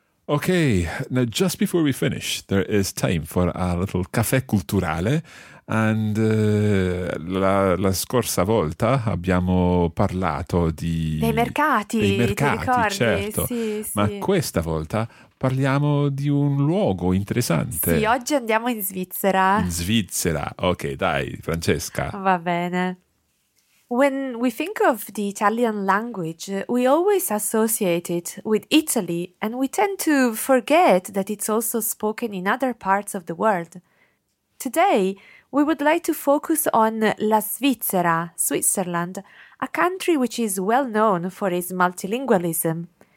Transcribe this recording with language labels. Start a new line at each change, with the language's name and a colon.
English: Okay, now just before we finish, there is time for a little caffè culturale.
Italian: And la scorsa volta abbiamo parlato Dei dei mercati, ti mercati, ricordi? certo, Sì, ma sì. questa volta parliamo di un luogo Sì, interessante. oggi andiamo in Svizzera. In Svizzera. Ok, dai, Francesca. Va bene.
English: When we think of the Italian language, we always associate it with Italy, and we tend to forget that it's also spoken in other parts of the world. Today, we would like to focus on La Svizzera, Switzerland, a country which is well known for its multilingualism.